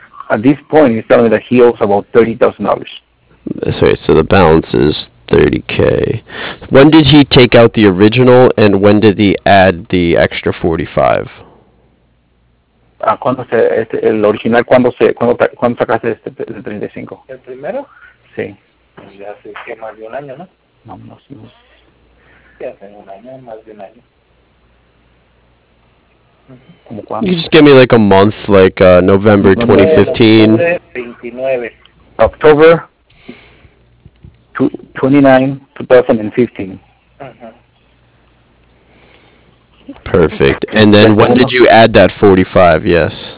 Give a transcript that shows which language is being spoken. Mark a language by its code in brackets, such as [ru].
[en] At this point, he's telling me that he owes about $30,000. Sorry, so the balance is 30K. When did he take out the original, and when did he add the extra 45? [es] ¿Cuándo se, este, el original, cuándo sacaste este, el 35? ¿El primero? Sí. Ya hace que más de un año, ¿no? No, no, sí. Ya hace un año, más de un año. ¿Cómo cuándo? [en] You just give me like a month, like November 2015. October 29, 2015. Uh-huh. Perfect. And then when did you add that 45? Yes.